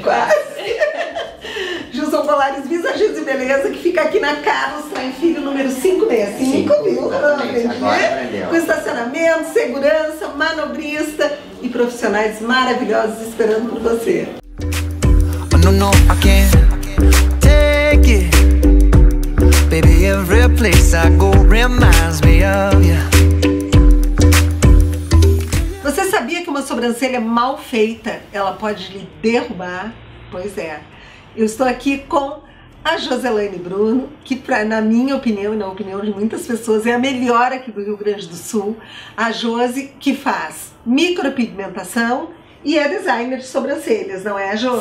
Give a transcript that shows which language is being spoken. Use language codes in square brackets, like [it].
[pt] Quase. Gilson Polares, visagens e beleza, que fica aqui na Carlos Traem Filho, número 565, viu? Com estacionamento, segurança, manobrista e profissionais maravilhosos esperando por você. [en] No, no, I can't take it. Baby, every place I go reminds me of you. [pt] Você sabia que uma sobrancelha mal feita, ela pode lhe derrubar? Pois é. Eu estou aqui com a Joselaine Bruno, que na minha opinião e na opinião de muitas pessoas é a melhor aqui do Rio Grande do Sul. A Josi, que faz micropigmentação e é designer de sobrancelhas, não é, Jo?